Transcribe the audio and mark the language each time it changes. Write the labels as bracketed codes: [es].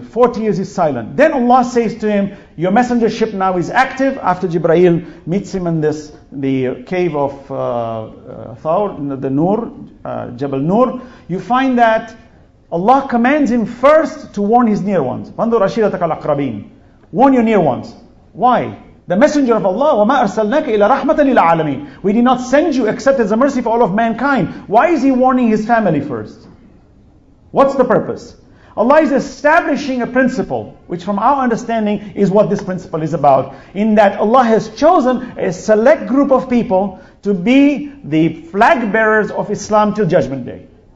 [en] 40 years he's silent. Then Allah says to him, your messengership now is active after Jibreel meets him in this the cave of Thawr, the Nur, Jabal Nur. You find that Allah commands him first to warn his near ones. [ar] فَانْدُرْ عَشِيرَتَكَ الْأَقْرَبِينَ. [en] Warn your near ones. Why? The messenger of Allah, [ar] وَمَا أَرْسَلْنَكَ إِلَى رَحْمَةً لِلْعَالَمِينَ. [en] We did not send you except as a mercy for all of mankind. Why is he warning his family first? What's the purpose? Allah is establishing a principle, which from our understanding is what this principle is about, in that Allah has chosen a select group of people to be the flag bearers of Islam till Judgment Day.